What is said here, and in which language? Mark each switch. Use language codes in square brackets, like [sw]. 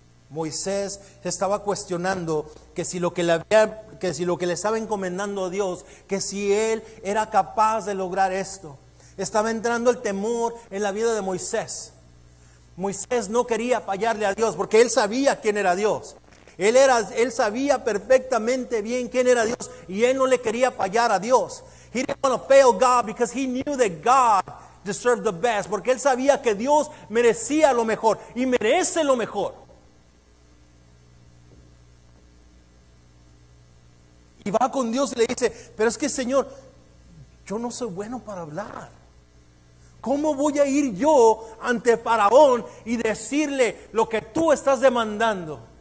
[es] Moisés estaba cuestionando que si lo que le había, que si lo que le estaba encomendando a Dios, que si él era capaz de lograr esto. Estaba entrando el temor en la vida de Moisés. Moisés no quería fallarle a Dios porque él sabía quién era Dios. Él sabía perfectamente bien quién era Dios y él no le quería fallar a Dios. [en] He didn't want to fail God because he knew that God deserved the best. [es] Porque él sabía que Dios merecía lo mejor y merece lo mejor. Y va con Dios y le dice, pero es que Señor, yo no soy bueno para hablar. ¿Cómo voy a ir yo ante Faraón y decirle lo que tú estás demandando?